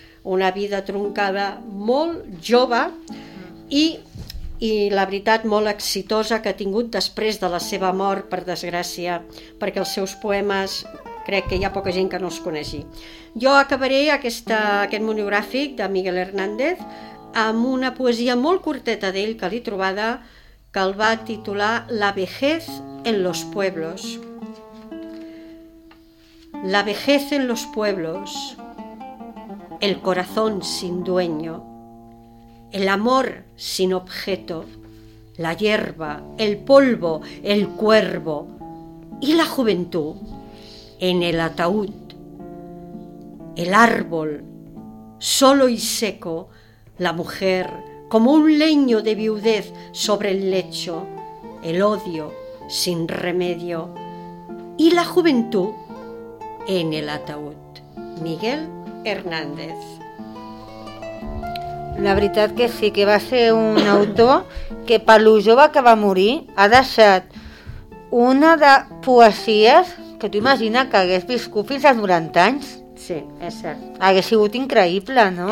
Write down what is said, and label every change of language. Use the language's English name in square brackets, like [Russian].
[Catalan] Una vida truncada molt jove i la veritat molt exitosa que ha tingut després de la seva mort, per desgràcia, perquè els seus poemes crec que hi ha poca gent que no els conegui. Jo acabaré aquest monogràfic de Miguel Hernández amb una poesia molt curteta d'ell que l'he trobada, que el va titular [Spanish] La vejez en los pueblos. La vejez en los pueblos, el corazón sin dueño, el amor sin objeto, la hierba, el polvo, el cuervo y la juventud en el ataúd, el árbol solo y seco, la mujer como un leño de viudez sobre el lecho, el odio sin remedio y la juventud en el ataúd. Miguel Hernández. [Catalan] La veritat que sí, que va ser un autor que per lo jove que va morir ha deixat una de poesies que tu imagina que hagués viscut fins als 90 anys. Sí, és cert. Hagués sigut increïble, no?